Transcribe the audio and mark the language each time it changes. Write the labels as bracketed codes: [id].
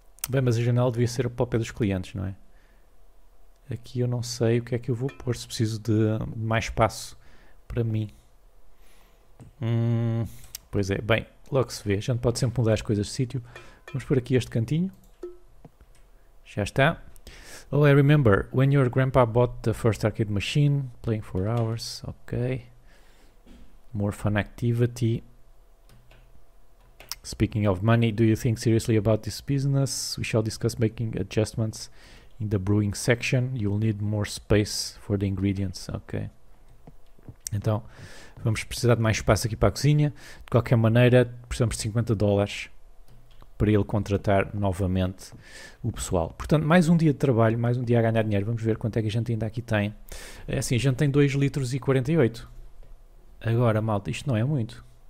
[pt] Bem, mas a janela devia ser a própria dos clientes, não é? Aqui eu não sei o que é que eu vou pôr, se preciso de mais espaço para mim. Pois é, bem, logo se vê. A gente pode sempre mudar as coisas de sítio. Vamos pôr aqui este cantinho. Já está. [en] Oh, I remember when your grandpa bought the first arcade machine, playing for hours. Ok. More fun activity. Speaking of money, do you think seriously about this business? We shall discuss making adjustments in the brewing section. You'll need more space for the ingredients. Ok. [pt] Então, vamos precisar de mais espaço aqui para a cozinha. De qualquer maneira, precisamos de 50 dólares para ele contratar novamente o pessoal. Portanto, mais um dia de trabalho, mais um dia a ganhar dinheiro. Vamos ver quanto é que a gente ainda aqui tem. É assim, a gente tem 2 litros e 48. Agora, malta, isto não é muito.